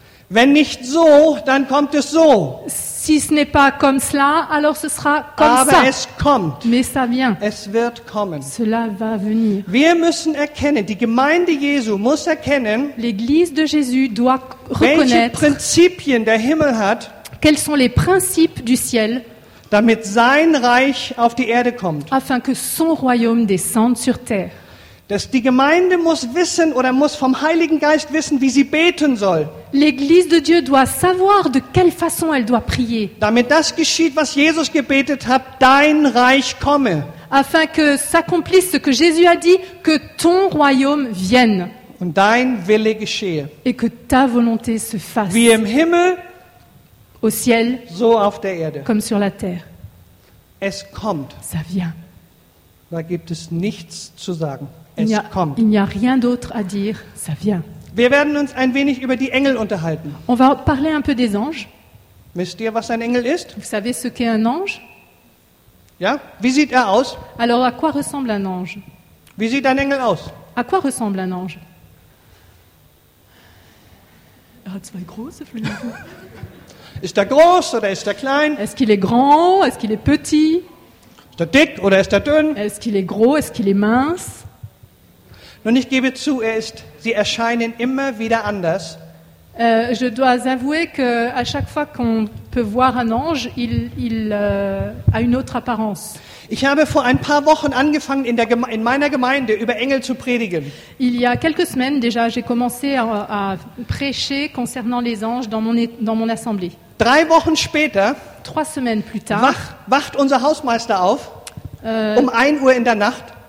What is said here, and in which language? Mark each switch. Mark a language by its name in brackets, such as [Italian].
[German] Wenn nicht so, dann kommt es so. [French] Si ce n'est pas comme cela, alors ce sera comme [German] Aber [French] ça. [German] Aber es kommt. [French] Mais ça vient. [German] Es wird kommen. [French] Cela va venir. [German] Wir müssen erkennen, die Gemeinde Jesu muss erkennen, [French] l'église de Jésus doit reconnaître, [German] welche Prinzipien der Himmel hat, [French] quels sont les principes du ciel, [German] damit sein Reich auf die Erde kommt. [French] Afin que son royaume descende sur terre. [German] Dass die Gemeinde muss wissen oder muss vom Heiligen Geist wissen, wie sie beten soll. [French] L'église de Dieu doit savoir de quelle façon elle doit prier. [German] Damit das geschieht, was Jesus gebetet hat, dein Reich komme. [French] Afin que s'accomplisse ce que Jésus a dit, que ton royaume vienne. [German] Und dein Wille geschehe. [French] Et que ta volonté se fasse. [German] Wie im Himmel, [French] au ciel, [German] so auf der Erde. [French] Comme sur la terre. [German] Es kommt. [French] Ça vient. [German] Da gibt es nichts zu sagen. [French] Il n'y a rien d'autre à dire. Ça vient. [German] Wir werden uns ein wenig über die Engel unterhalten. [French] On va parler un peu des anges. [German] Wisst ihr, was ein Engel ist? [French] Vous savez ce qu'est un ange? [German] Ja? Wie sieht er aus? [French] Alors, à quoi ressemble un ange? [German] Wie sieht ein Engel aus? [French] À quoi ressemble un ange? [German] Er hat zwei große Flügel. Ist er groß oder ist er klein? [French] Est-ce qu'il est grand? Est-ce qu'il est petit? [German] Ist er dick oder ist er dünn? [French] Est-ce qu'il est gros? Est-ce qu'il est mince? [German] Nun, ich gebe zu, sie erscheinen immer wieder anders. [French] Je dois avouer que à chaque fois qu'on peut voir un ange, il a une autre apparence. [German] Ich habe vor ein paar Wochen angefangen in meiner Gemeinde über Engel zu predigen. [French] Il y a quelques semaines déjà, j'ai commencé à prêcher concernant les anges dans mon assemblée. [German] Drei Wochen später, [French] 3 semaines plus tard, [German] wacht unser Hausmeister auf um 1 Uhr in der Nacht.